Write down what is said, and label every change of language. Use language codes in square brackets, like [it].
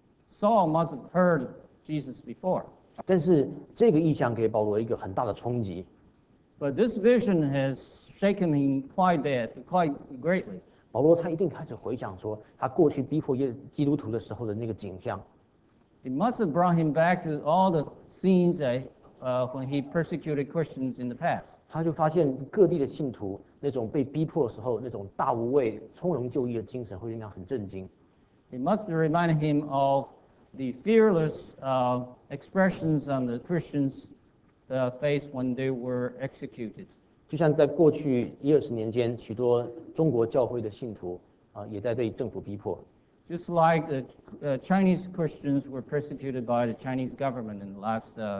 [en] Saul must have heard Jesus before. [zh] 但是这个意象给保罗一个很大的冲击。 [en] But this vision has shaken him quite greatly. [zh] 保罗他一定开始回想说，他过去逼迫基督徒的时候的那个景象。 [en] It must have brought him back to all the scenes that. When he persecuted Christians in the past, [zh] 他就发现各地的信徒那种被逼迫的时候那种大无畏、从容就义的精神，会让他很震惊。 [en] It must remind him of the fearless expressions on the Christians' face when they were executed. [zh] 就像在过去一二十年间，许多中国教会的信徒也在被政府逼迫。 [en] Just like the Chinese Christians were persecuted by the Chinese government in the last.